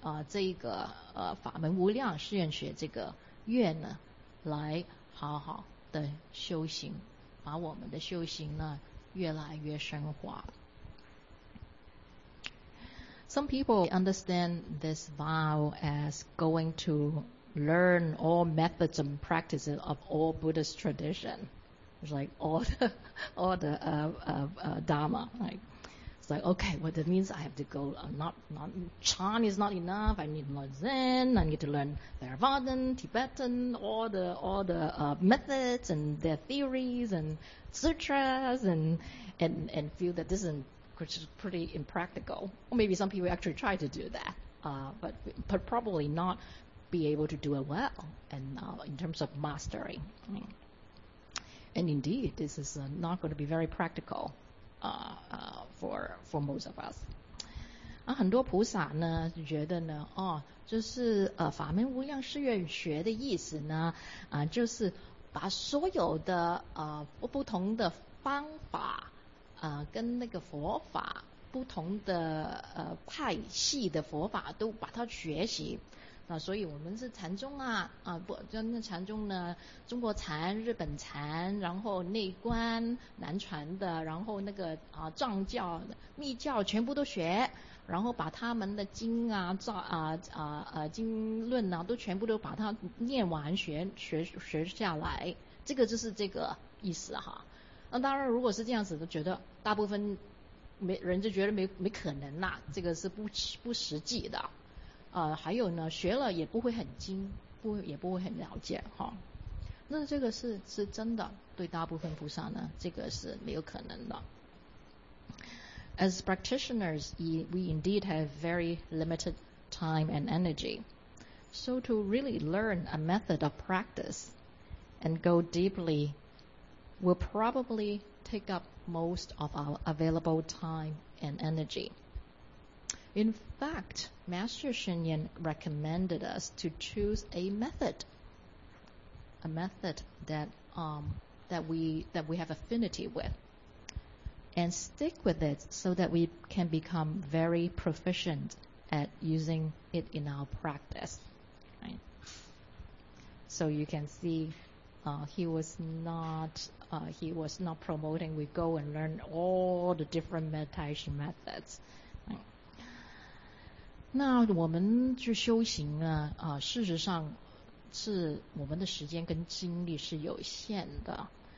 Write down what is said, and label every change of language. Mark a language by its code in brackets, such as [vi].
[zh] 这一个法门无量誓愿学这个愿呢来好好的修行，把我们的修行呢越来越深化。 [en] Some people understand this vow as going to learn all methods and practices of all Buddhist tradition. It's like all the Dharma. Right? It's like, okay, well, that means I have to go, not Chan is not enough, I need more Zen, I need to learn Theravadan, Tibetan, all the methods and their theories and sutras and feel that this is pretty impractical. Or maybe some people actually try to do that, but probably not be able to do it well in terms of mastering. And indeed, this is not going to be very practical for most of us. [zh] 很多菩萨呢觉得呢哦，就是法门无量誓愿学的意思呢就是把所有的不同的方法跟那个佛法不同的派系的佛法都把它学习。那所以我们是禅宗不，就那禅宗呢，中国禅、日本禅，然后内观、南传的，然后那个藏教、密教全部都学，然后把他们的经啊、经论啊，都全部都把它念完学下来，这个就是这个意思哈。那当然，如果是这样子的，觉得大部分人就觉得没可能啦，这个是不实际的。还有呢，学了也不会很精，也不会很了解哈。那这个是真的，对大部分菩萨呢，这个是没有可能的。 [en] As practitioners, we indeed have very limited time and energy. So to really learn a method of practice and go deeply will probably take up most of our available time and energy. In fact, Master Shen Yan recommended us to choose a method a method that we have affinity with, and stick with it so that we can become very proficient at using it in our practice. Right? So you can see he was not promoting we go and learn all the different meditation methods. Right? [zh] 那我们去修行啊，事实上是我们的时间跟精力是有限的。